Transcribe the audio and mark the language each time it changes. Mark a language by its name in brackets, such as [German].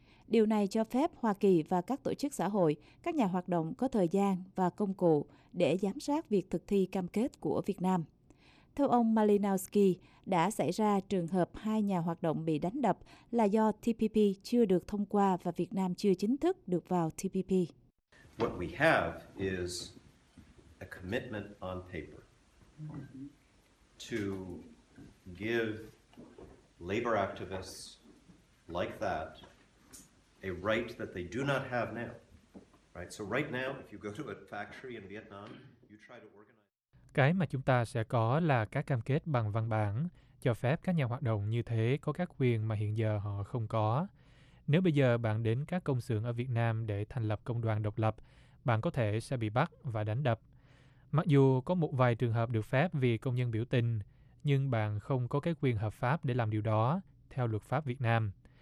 [Vietnamese] Điều này cho phép Hoa Kỳ và các tổ chức xã hội, các nhà hoạt động có thời gian và công cụ để giám sát việc thực thi cam kết của Việt Nam. Theo ông Malinowski, đã xảy ra trường hợp hai nhà hoạt động bị đánh đập là do TPP chưa được thông qua và Việt Nam chưa chính thức được vào TPP. [English] What we have is a commitment on paper to give labor activists like that a right that they do not have now. Right? So right now, if you go to a factory in Vietnam, you try to organize. [Vietnamese] Cái mà chúng ta sẽ có là các cam kết bằng văn bản, cho phép các nhà hoạt động như thế có các quyền mà hiện giờ họ không có. Nếu bây giờ bạn đến các công xưởng ở Việt Nam để thành lập công đoàn độc lập, bạn có thể sẽ bị bắt và đánh đập. Mặc dù có một vài trường hợp được phép vì công nhân biểu tình, nhưng bạn không có cái quyền hợp pháp để làm điều đó, theo luật pháp Việt Nam.